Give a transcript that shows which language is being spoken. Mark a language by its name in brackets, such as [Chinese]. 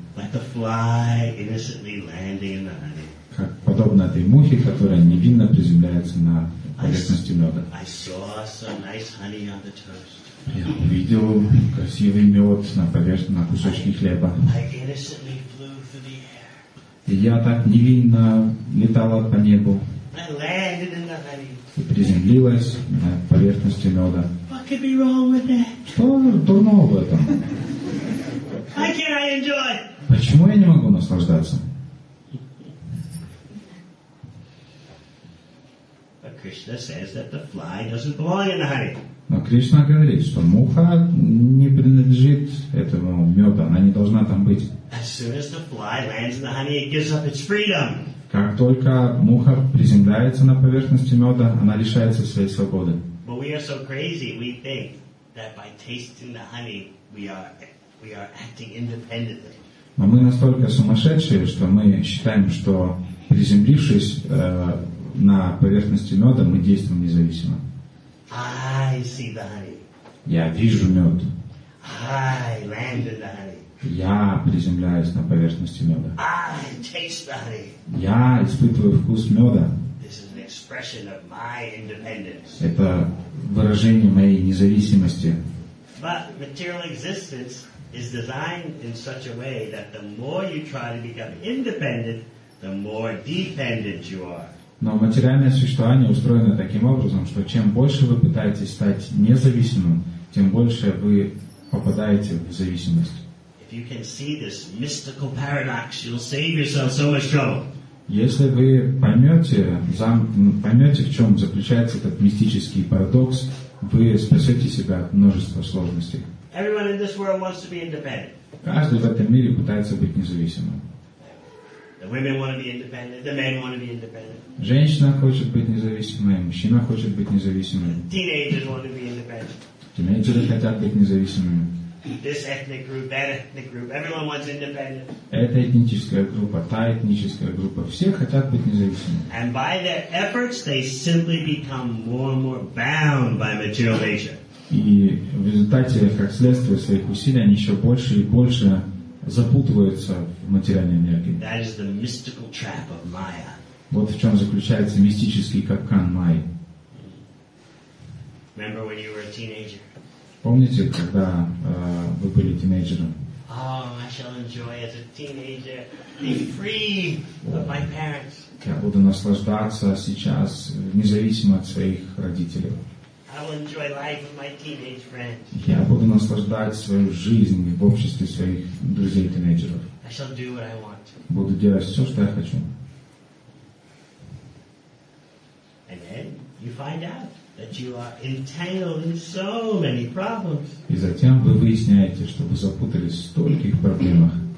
[English] Like the fly innocently landing in the honey. [Russian] Как подобно этой мухе, которая невинно приземляется на поверхности меда. [English] I saw some nice honey on the toast. [Russian] Я увидел красивый мед на поверхности, на кусочке хлеба. [English] I innocently flew through the air. [Russian] И я так невинно летала по небу. [English] I landed in the honey. [Russian] И приземлилась на поверхности меда. [English] What could be wrong with that? [Russian] Что дурного в этом? [English] Why can't I enjoy? [Russian] Почему я не могу наслаждаться? [English] Krishna says that the fly doesn't belong in the honey. [Russian] Но Кришна говорит, что муха не принадлежит этому меду, она не должна там быть. [English] As soon as the fly lands in the honey, it gives up its freedom. [Russian] Как только муха приземляется на поверхности меда, она лишается своей свободы. [English] But we are so crazy, we think that by tasting the honey, we are acting independently. [Russian] Но мы настолько сумасшедшие, что мы считаем, что приземлившись на поверхности меда, мы действуем независимо. [English] I see the honey. [Russian] Я вижу мед. [English] I land in the honey. [Russian] Я приземляюсь на поверхности меда. [English] I taste the honey. [Russian] Я испытываю вкус меда. [English] This is an expression of my independence. [Russian] Это выражение моей независимости. [English] But material existence is designed in such a way that the more you try to become independent, the more dependent you are. [Russian] Но материальное существование устроено таким образом, что чем больше вы пытаетесь стать независимым, тем больше вы попадаете в зависимость. [English] If you can see this mystical paradox, you'll save yourself so much trouble. [Russian] Если вы поймете, в чем заключается этот мистический парадокс, вы спасете себя от множества сложностей. [English] Everyone in this world wants to be independent. [Russian] Каждый в этом мире пытается быть независимым. [English] The women want to be independent. The men want to be independent. [Russian] Женщина хочет быть независимой, мужчина хочет быть независимым. [English] Teenagers want to be independent. [Russian] Тинейджеры хотят быть независимыми. [English] This ethnic group, that ethnic group, everyone wants independence. [Russian] Эта этническая группа, та этническая группа, все хотят быть независимыми. [English] And by their efforts, they simply become more and more bound by material nature. [Russian] И в результате, как следствие своих усилий, они еще больше и больше запутываются в материальной энергии. [English] That is the mystical trap of Maya. [Russian] Вот в чем заключается мистический капкан Майи. [English] Remember when you were a teenager? [Russian] Помните, когда вы были тинейджером? [English] Oh, I shall enjoy as a teenager, be free of my parents. [Russian] Я буду наслаждаться сейчас, независимо от своих родителей. [English] I will enjoy life with my teenage friends. [Russian] Я буду наслаждать свою жизнь в обществе своих друзей тинейджеров. [English] I shall do what I want. [Russian] Буду делать все, что я хочу. [English] And then you find out that you are entangled in so many problems. [Russian] И затем вы выясняете, что вы запутались в стольких проблемах.